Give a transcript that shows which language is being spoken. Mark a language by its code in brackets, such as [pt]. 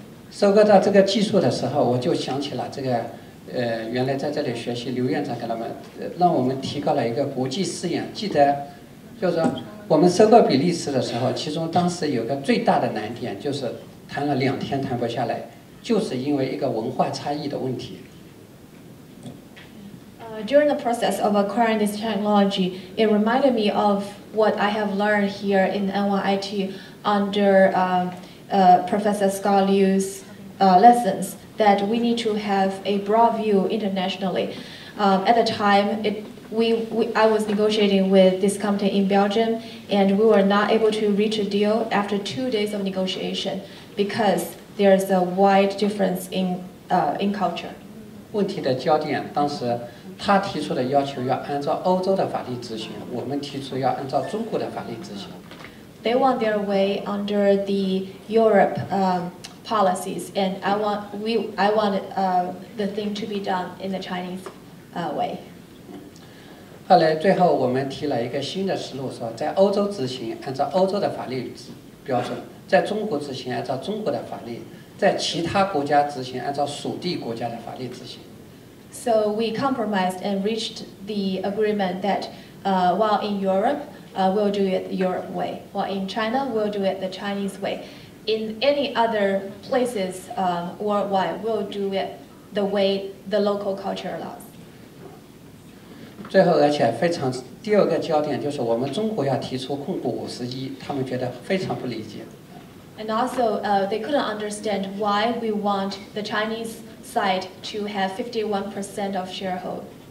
[zh] 收割到这个技术的时候，我就想起了这个。原来在这里学习刘院长给他们让我们提高了一个国际视野，记得就是说我们收购比利时的时候，其中当时有个最大的难点就是谈了两天谈不下来，就是因为一个文化差异的问题。 [en] During the process of acquiring this technology, it reminded me of what I have learned here in NYIT under Professor Scott Liu's lessons. That we need to have a broad view internationally. At the time, I was negotiating with this company in Belgium, and we were not able to reach a deal after 2 days of negotiation because there is a wide difference in culture. [zh] 问题的焦点，当时他提出的要求要按照欧洲的法律执行，我们提出要按照中国的法律执行。 [en] They want their way under the Europe. Policies and I want the thing to be done in the Chinese way. [zh] 后来最后我们提了一个新的思路，说在欧洲执行按照欧洲的法律标准，在中国执行按照中国的法律，在其他国家执行按照属地国家的法律执行。 [en] So we compromised and reached the agreement that while in Europe we'll do it Europe way, while in China we'll do it the Chinese way. In any other places worldwide, we'll do it the way the local culture allows. [zh] 最后，而且非常第二个焦点就是我们中国要提出控股51%，他们觉得非常不理解。 [en] And also, they couldn't understand why we want the Chinese side to have 51% of sharehold.